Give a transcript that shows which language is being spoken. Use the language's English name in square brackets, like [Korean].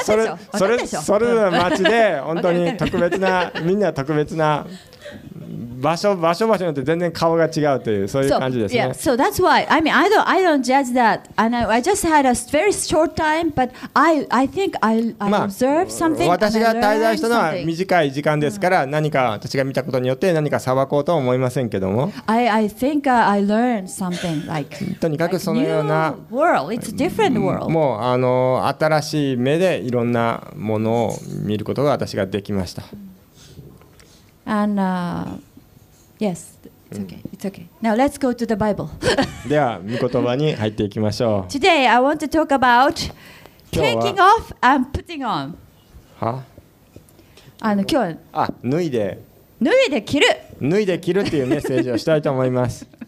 [Japanese] それぞれの町で本当に特別な、みんな特別な。場所場所場所によって全然顔が違うというそういう感じですね。 [English] Yeah, so that's why I mean I don't judge that and I just had a very short time but I think I observe something and I learned something. [Japanese] 私が滞在したのは短い時間ですから何か私が見たことによって何か裁こうとは思いませんけども。 [English] I think I learned something like [Japanese] とにかくそのような [English] new world. It's a different world. [Japanese] もう新しい目でいろんなものを見ることが私ができました。 [English] And yes, it's okay. It's okay. Now let's go to the Bible. [Japanese] では御言葉に入っていきましょう。 [English] Today I want to talk about taking off and putting on. [Japanese] は？今日は。あ、脱いで。脱いで着る。脱いで着るっていうメッセージをしたいと思います。